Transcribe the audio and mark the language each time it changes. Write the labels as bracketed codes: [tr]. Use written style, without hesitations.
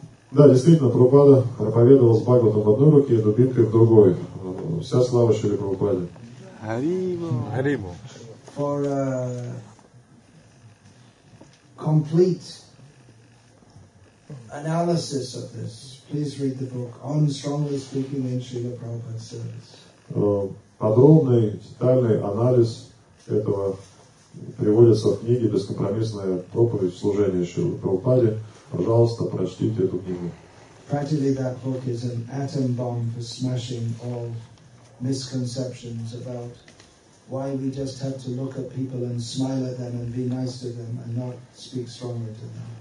[ru] Да, действительно, Прабхупада проповедовал с Бхагаватом в одной руке и дубинкой в другой. Вся слава Шри Прабхупаде. Хариму. [en] For a complete analysis of this, please read the book On Strongly Speaking in Shri Prabhupada's Service. [ru] Подробный, детальный анализ этого приводится в книге «Бескомпромиссная проповедь в служении Шри Прабхупаде». Пожалуйста, прочтите эту книгу. [en] Practically that book is an atom bomb for smashing all misconceptions about why we just have to look at people and smile at them and be nice to them and not speak strongly to them.